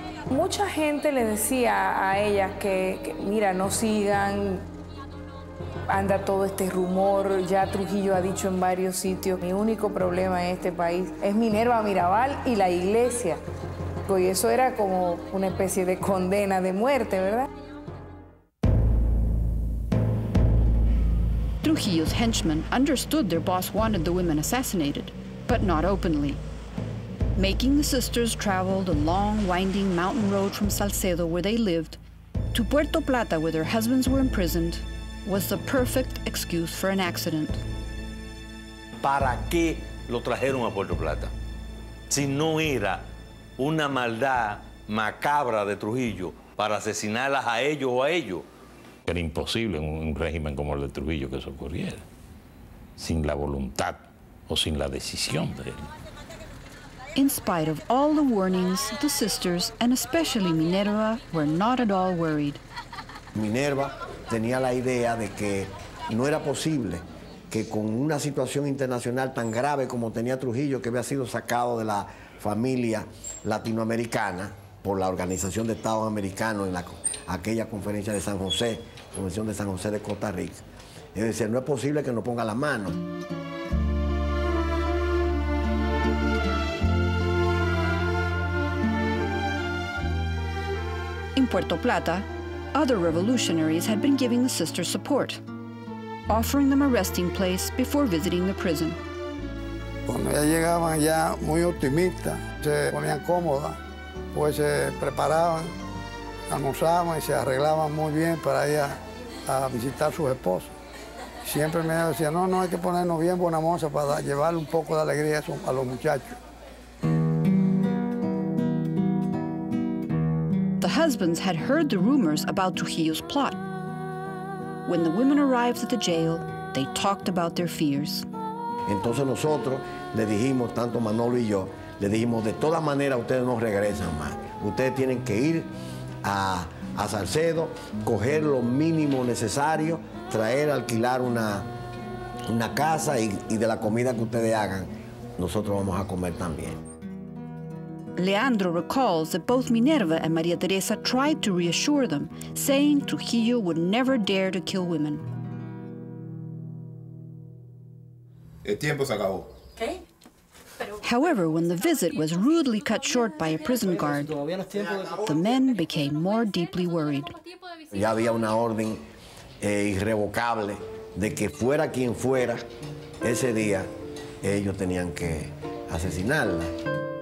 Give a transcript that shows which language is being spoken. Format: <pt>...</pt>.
<es>Mucha gente le decía a ellas que, mira, no sigan, anda todo este rumor, ya Trujillo ha dicho en varios sitios, mi único problema en este país es Minerva Mirabal y la iglesia. Y eso era como una especie de condena de muerte, ¿verdad?</es> <en>Trujillo's henchmen understood their boss wanted the women assassinated, but not openly. Making the sisters travel the long, winding mountain road from Salcedo, where they lived, to Puerto Plata, where their husbands were imprisoned, was the perfect excuse for an accident.</en> <es>¿Para qué lo trajeron a Puerto Plata? Si no era una maldad macabra de Trujillo para asesinarlas a ellos o a ellos. Era imposible en un régimen como el de Trujillo que eso ocurriera, sin la voluntad o sin la decisión de él.</es> <en>In spite of all the warnings, the sisters, and especially Minerva, were not at all worried.</en> <es>Minerva tenía la idea de que no era posible que con una situación internacional tan grave como tenía Trujillo, que había sido sacado de la familia latinoamericana por la Organización de Estados Americanos en aquella conferencia de San José, Convención de San José de Costa Rica. Es decir, no es posible que nos ponga la mano.</es> <en>In Puerto Plata, other revolutionaries had been giving the sisters support, offering them a resting place before visiting the prison.</en> <es>Cuando ya llegaban ya muy optimistas, se ponían cómodas, pues se preparaban, almorzaban y se arreglaban muy bien para ir a visitar a sus esposos. Siempre me decían, no, no, hay que ponernos bien buena moza para llevarle un poco de alegría a los muchachos.</es> <en>The husbands had heard the rumors about Trujillo's plot. When the women arrived at the jail, they talked about their fears.</en> <es>Entonces nosotros le dijimos, tanto Manolo y yo, le dijimos, de todas maneras ustedes no regresan más. Ustedes tienen que ir a Salcedo, coger lo mínimo necesario, traer, alquilar una casa y de la comida que ustedes hagan, nosotros vamos a comer también.</es> <en>Leandro recalls that both Minerva and María Teresa tried to reassure them, saying Trujillo would never dare to kill women.</en> <es>El tiempo se acabó.</es> <en>However, when the visit was rudely cut short by a prison guard, the men became more deeply worried.</en> <es>Ya había una orden irrevocable de que fuera quien fuera, ese día ellos tenían que asesinarla.</es>